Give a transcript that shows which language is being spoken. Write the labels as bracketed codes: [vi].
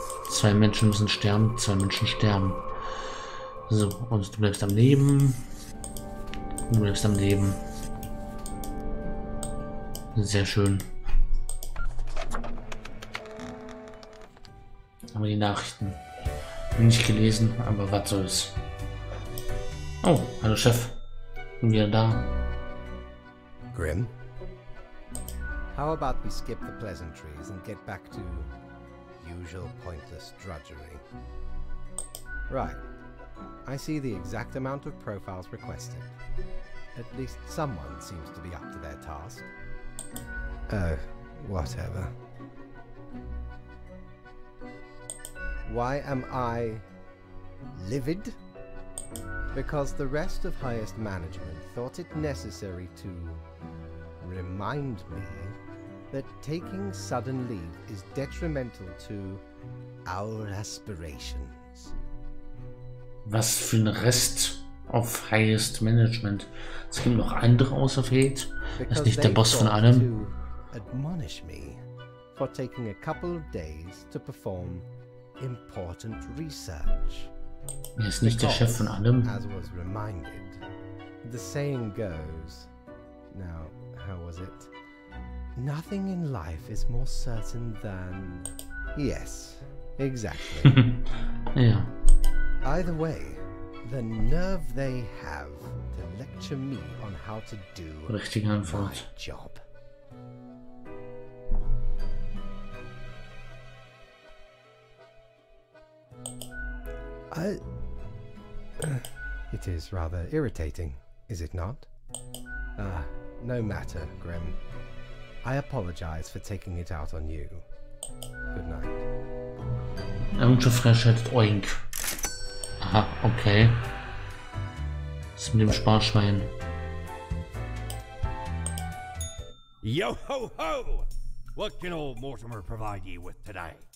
[de] Zwei Menschen müssen sterben, zwei Menschen sterben. So, und du bleibst am Leben. Du bleibst am Leben. Sehr schön. Haben wir die Nachrichten. Nicht gelesen, aber was soll's. Oh, hallo Chef. Bin wieder da. Grim? [en] How about we skip the pleasantries and get back to usual pointless drudgery? Right. I see the exact amount of profiles requested. At least someone seems to be up to their task. Oh, whatever. Why am I livid? Because the rest of highest management thought it necessary to remind me that taking sudden leave is detrimental to our aspirations. [de] Was für ein [en] Rest of highest management? [de] Es gibt noch andere außer Fate. Ist nicht der Boss von allem? [en] To admonish me for taking a couple of days to perform important research. [de] Er ist nicht der Chef von allem. [en] As was reminded, the saying goes, now, how was it? Nothing in life is more certain than, yes, exactly. [de] Ja. [en] Either way, the nerve they have to lecture me on how to do my job. It is rather irritating, is it not? No matter, Grim. I apologize for taking it out on you. Good night. [de] Irgendwo freischaltet Oink. Aha, okay. Was ist mit dem Sparschwein? [en] Yo ho ho! What can old Mortimer provide ye with today?